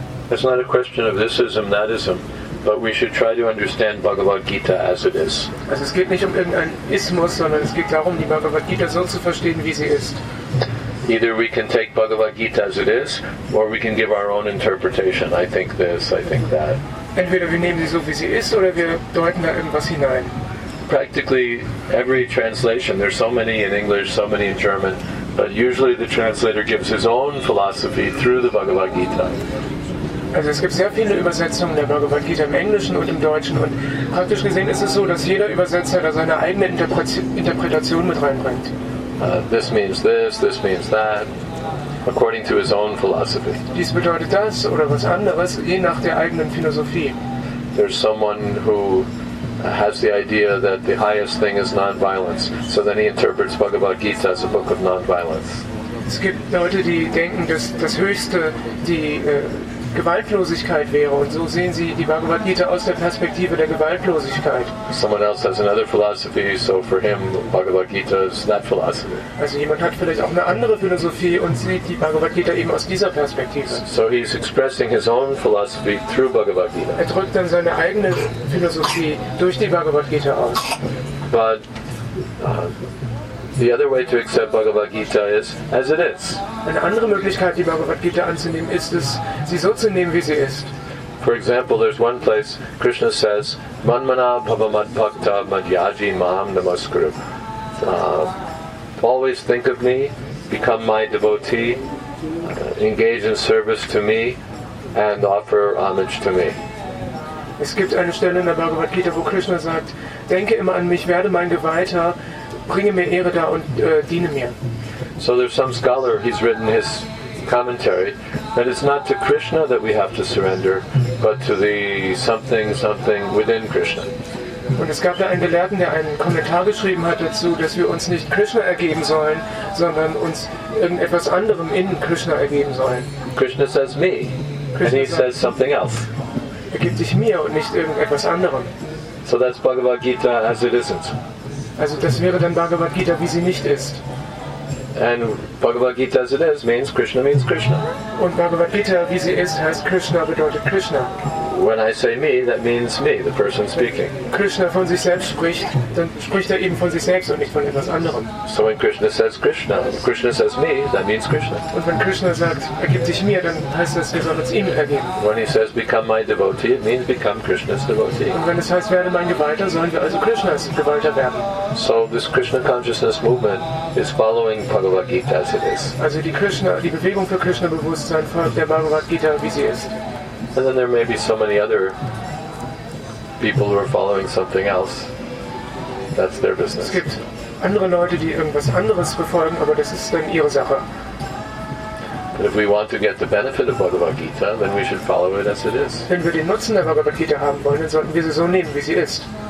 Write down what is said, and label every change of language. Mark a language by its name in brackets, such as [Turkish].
[English] It's not a question of this-ism, that-ism, but we should try to understand Bhagavad Gita as it is. [German] Also es geht nicht um irgendein Ismus, sondern es geht darum, die Bhagavad Gita so zu verstehen, wie sie ist. [English] Either we can take Bhagavad Gita as it is, or we can give our own interpretation. I think this, I think that. [German] Entweder wir nehmen sie so, wie sie ist, oder wir deuten da irgendwas hinein. [English] Practically every translation, there's so many in English, so many in German, but usually the translator gives his own philosophy through the Bhagavad Gita. [German] Also es gibt sehr viele Übersetzungen der Bhagavad Gita im Englischen und im Deutschen, und praktisch gesehen ist es so, dass jeder Übersetzer da seine eigene Interpretation mit reinbringt. [English] This means this, this means that, according to his own philosophy. [German] Dies bedeutet das oder was anderes, je nach der eigenen Philosophie. [English] There's someone who has the idea that the highest thing is non-violence, so then he interprets Bhagavad Gita as a book of non-violence. [German] Es gibt Leute, die denken, dass das Höchste die Gewaltlosigkeit wäre, und so sehen sie die Bhagavad Gita aus der Perspektive der Gewaltlosigkeit. [English] Someone else has another philosophy, so for him Bhagavad Gita is that philosophy. [German] Also jemand hat vielleicht auch eine andere Philosophie und sieht die Bhagavad Gita eben aus dieser Perspektive. [English] So he's expressing his own philosophy through Bhagavad Gita. [German] Er drückt dann seine eigene Philosophie durch die Bhagavad Gita aus. [English] But the other way to accept Bhagavad Gita is as it is. [German] Eine andere Möglichkeit, die Bhagavad Gita anzunehmen, ist es, sie so zu nehmen, wie sie ist. [English] For example, there's one place Krishna says, [Sanskrit] "Manmana bhavamad bhakta madhyaji maham namaskuru." [English] Always think of me, become my devotee, engage in service to me, and offer homage to me. [German] Es gibt eine Stelle in der Bhagavad Gita, wo Krishna sagt, denke immer an mich, werde mein Geweihter, bringe mir Ehre da und diene mir. [English] So there's some scholar, he's written his commentary, that it's not to Krishna that we have to surrender, but to the something, something within Krishna. [German] Und es gab da einen Gelehrten, der einen Kommentar geschrieben hat dazu, dass wir uns nicht Krishna ergeben sollen, sondern uns irgendetwas anderem in Krishna ergeben sollen. [English] Krishna says me, Krishna and he says something else. [German] Ergib dich mir und nicht irgendetwas anderem. [English] So that's Bhagavad Gita as it isn't. [German] Also das wäre dann Bhagavad Gita, wie sie nicht ist. [English] And Bhagavad Gita as it is means Krishna means Krishna. [German] Und Bhagavad Gita, wie sie ist, heißt Krishna, bedeutet Krishna. [English] When I say me, that means me, the person speaking. [German] Wenn Krishna von sich selbst spricht, dann spricht eben von sich selbst und nicht von etwas anderem. [English] So when Krishna says Krishna, Krishna says me, that means Krishna. [German] Und wenn Krishna sagt, ergib dich mir, dann heißt das, wir sollen uns ihm ergeben. [English] When he says become my devotee, it means become Krishna's devotee. [German] Und wenn es heißt, werde mein Geweihter, sollen wir also Krishnas Geweihter werden. [English] So this Krishna consciousness movement is following Bhagavad Gita as it is. [German] Also die Krishna, die Bewegung für Krishna-Bewusstsein folgt der Bhagavad Gita, wie sie ist. [English] And then there may be so many other people who are following something else. That's their business. [German] Es gibt andere Leute, die irgendwas anderes verfolgen, aber das ist dann ihre Sache. [English] But if we want to get the benefit of Bhagavad Gita, then we should follow it as it is. [German] Wenn wir den Nutzen der Bhagavad Gita haben wollen, dann sollten wir sie so nehmen, wie sie ist.